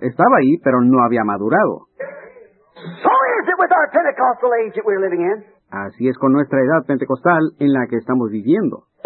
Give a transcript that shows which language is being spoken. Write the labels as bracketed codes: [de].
[es] Estaba ahí, pero no había madurado. [en] So is it with our Pentecostal age that we're living in. [es] Así es con nuestra edad pentecostal en la que estamos viviendo.